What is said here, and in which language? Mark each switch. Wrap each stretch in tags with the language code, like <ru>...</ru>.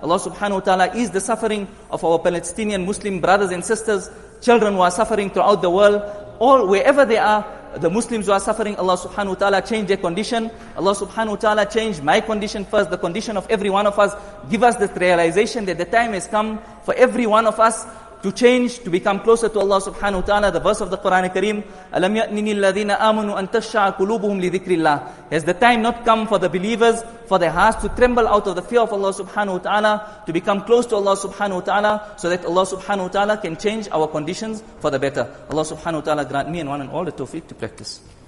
<en>Allah subhanahu wa ta'ala is the suffering of our Palestinian Muslim brothers and sisters, children who are suffering throughout the world, all wherever they are. The Muslims who are suffering, Allah subhanahu wa ta'ala change their condition. Allah subhanahu wa ta'ala change my condition first, the condition of every one of us. Give us this realization that the time has come for every one of us to change, to become closer to Allah subhanahu wa ta'ala.</en> <ar>The verse of the Quran Kareem, أَلَمْ يَأْنِنِ الَّذِينَ آمَنُوا أَن تَشَّعَ قُلُوبُهُمْ لِذِكْرِ اللَّهِ.</ar> <en>Has the time not come for the believers, for their hearts to tremble out of the fear of Allah subhanahu wa ta'ala, to become close to Allah subhanahu wa ta'ala, so that Allah subhanahu wa ta'ala can change our conditions for the better. Allah subhanahu wa ta'ala grant me and one and all the tawfiq to practice.</en>